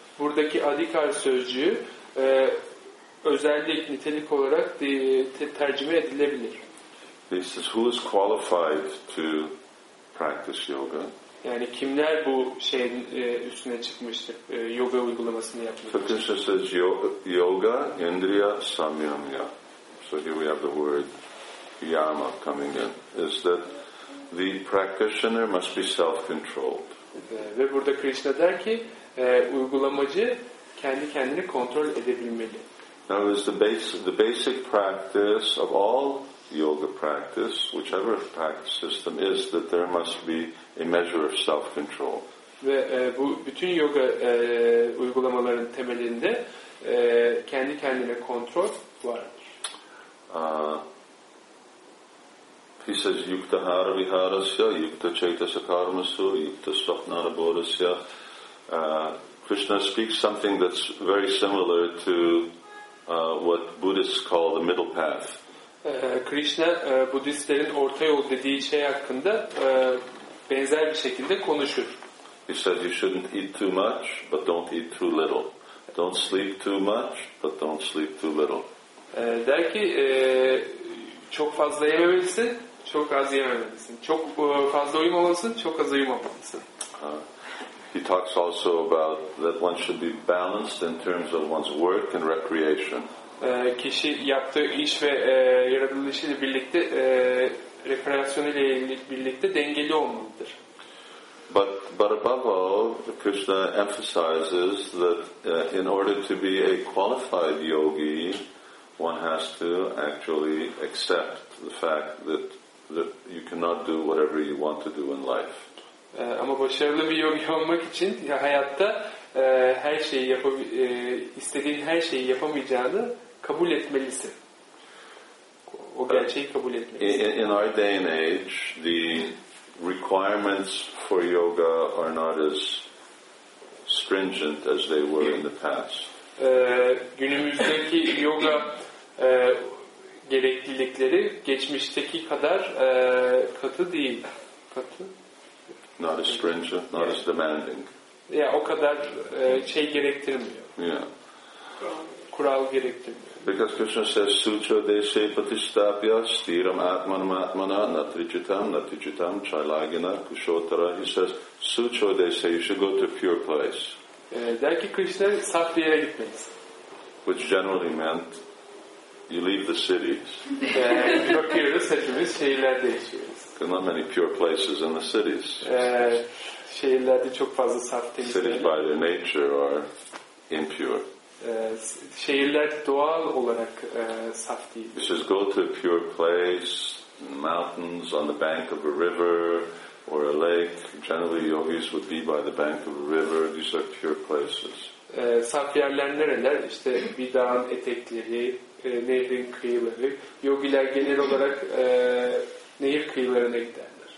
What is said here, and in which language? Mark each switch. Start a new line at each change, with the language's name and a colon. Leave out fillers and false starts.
Turkish: Buradaki adhikar sözcüğü özellik, nitelik olarak tercüme edilebilir.
English: This is who is qualified to practice yoga.
Turkish: Yani kimler bu şeyin üstüne çıkmıştır, yoga uygulamasını yapmıştır.
English: Krishna says yoga, indriya, samyamya. So here we have the word yama coming in. Is that the practitioner must be self-controlled.
Turkish: Ve burada Krishna der ki, uygulamacı kendi kendini kontrol edebilmeli.
English: Now is the basic practice of all yoga practice, whichever practice system, is that there must be a measure of self-control.
Turkish: Ve bu bütün yoga uygulamaların temelinde kendi kendine kontrol var.
English: He says
Sanskrit: yukta hara viharasya, yukta chaitasya karmasu, yukta svapnara bodhasya.
English: Krishna speaks something that's very similar to what Buddhists call the middle path.
Turkish: Krishna Budistlerin orta yol dediği şey hakkında benzer bir şekilde konuşur.
English: He says you shouldn't eat too much, but don't eat too little. Don't sleep too much, but don't sleep too little.
Turkish: Der ki çok fazla yememelisin, çok az yememelisin. Çok fazla uyumamalısın, çok az uyumamalısın.
English: He talks also about that one should be balanced in terms of one's work and recreation.
Turkish: Kişi yaptığı iş ve yaratılışıyla birlikte rekreasyonuyla birlikte dengeli olmalıdır.
English: But above all, Krishna emphasizes that in order to be a qualified yogi, one has to actually accept the fact that you cannot do whatever you want to do in life.
Turkish: Ama başarılı bir yogi olmak için hayatta her şeyi istediğin her şeyi yapamayacağını kabul etmelisin. O gerçeği kabul etmelisin.
English: In our day and age, the requirements for yoga are not as stringent as they were in the past.
Turkish: Günümüzdeki yoga gereklilikleri geçmişteki kadar katı değil. Katı?
English: Not as stringent, not as demanding.
Turkish: Ya o kadar şey gerektirmiyor.
English: Yeah.
Turkish: Kural gerektirmiyor.
English: Because Krishna says
Sanskrit: sucha desa patistapya stiram atmanam atmana natrijitam natrijitam chailagina kushotara.
English: He says
Sanskrit: sucha desa,
English: you should go to a pure place.
Turkish: Der ki Krishna saf bir yere gitmelisin.
English: Which generally meant you leave the cities.
Turkish: Bakıyoruz hepimiz şehirlerde yaşıyoruz.
English: There are not many pure places in the cities.
Turkish: Şehirlerde çok fazla saf temiz.
English: Cities by their nature are impure.
Turkish: Şehirler doğal olarak saf değil.
English: He says, go to a pure place, mountains on the bank of a river or a lake. Generally, yogis would be by the bank of a river. These are pure places.
Turkish: Saf yerler nereler? İşte bir dağın etekleri, nehrin kıyıları. Yogiler genel olarak nehir kıyılarına giderler.